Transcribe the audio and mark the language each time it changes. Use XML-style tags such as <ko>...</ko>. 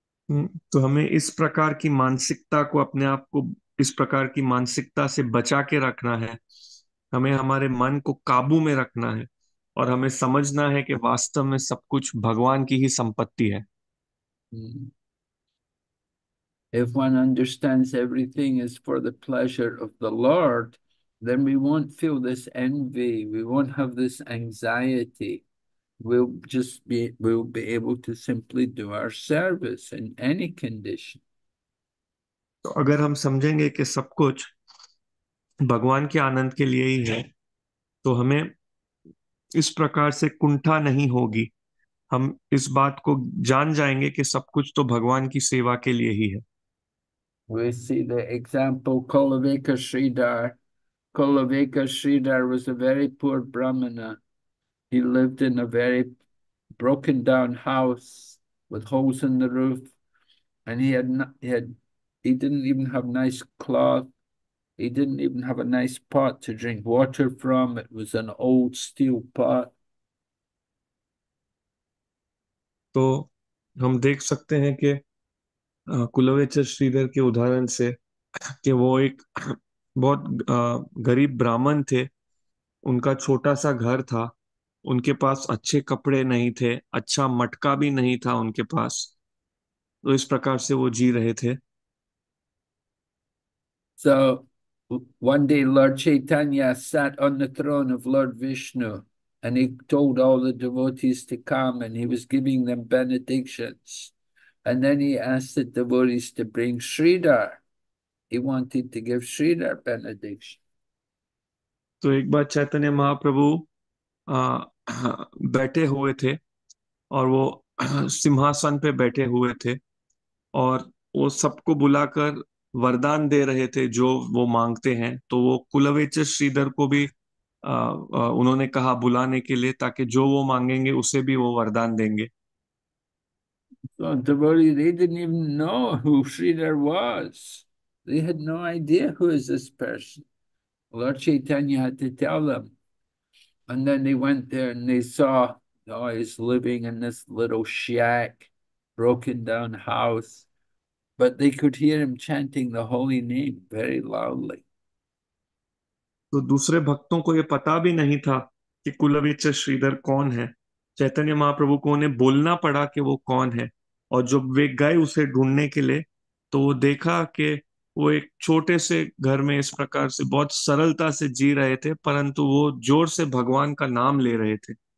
<hi>तो हमें इस प्रकार की मानसिकता को, अपने आप को इस प्रकार की मानसिकता से बचा के रखना है, हमें हमारे मन को काबू में रखना है, और हमें समझना है कि वास्तव में सब कुछ भगवान की ही संपत्ति है।</hi> <en>If one understands everything is for the pleasure of the Lord, then we won't feel this envy, we won't have this anxiety. We'll be able to simply do our service in any condition.</en> <hi>तो अगर हम समझेंगे कि सब कुछ भगवान के आनंद के लिए ही है, तो हमें इस प्रकार से कुंठा नहीं होगी, हम इस बात को जान जाएंगे कि सब कुछ तो भगवान की सेवा के लिए ही है।</hi> <en>We see the example Kulavika Sridhar. Kulavika Sridhar was a very poor Brahmana. He lived in a very broken down house with holes in the roof, and he didn't even have nice cloth. He didn't even have a nice pot to drink water from. It was an old steel pot.</en> <hi>तो हम देख सकते हैं कि कुलवेचर श्रीधर के उदाहरण से कि वो एक बहुत गरीब ब्राह्मण थे, उनका छोटा सा घर था, उनके पास अच्छे कपड़े नहीं थे, अच्छा मटका भी नहीं था उनके पास, तो इस प्रकार से वो जी रहे थे।</hi> <en>So one day Lord Chaitanya sat on the throne of Lord Vishnu, and he told all the devotees to come, and he was giving them benedictions. And then he asked the devotees to bring Sridhar. He wanted to give Sridhar benediction.</en> <hi>तो एक बार चैतन्य महाप्रभु बैठे हुए थे, और वो सिंहासन पे बैठे हुए थे, और वो सबको बुलाकर वरदान दे रहे थे जो वो मांगते हैं, तो वो कुलवेचर श्रीधर को भी उन्होंने कहा बुलाने के लिए, ताकि जो वो मांगेंगे उसे भी वो वरदान देंगे।</hi> <en>So devotees, they didn't even know who Sridhar was. They had no idea who is this person. Lord Chaitanya had to tell them. And then they went there and they saw, oh, he's living in this little shack, broken down house. But they could hear him chanting the holy name very loudly.</en> <hi>तो दूसरे भक्तों को ये पता भी नहीं था कि कुलवेचर श्रीधर कौन है, चैतन्य महाप्रभु को उन्हें बोलना पड़ा कि वो कौन है, और जब वे गए उसे ढूंढने के लिए, तो वो देखा कि वो एक छोटे से घर में इस प्रकार से बहुत सरलता से जी रहे थे, परंतु वो जोर से भगवान का नाम ले रहे थे।</hi>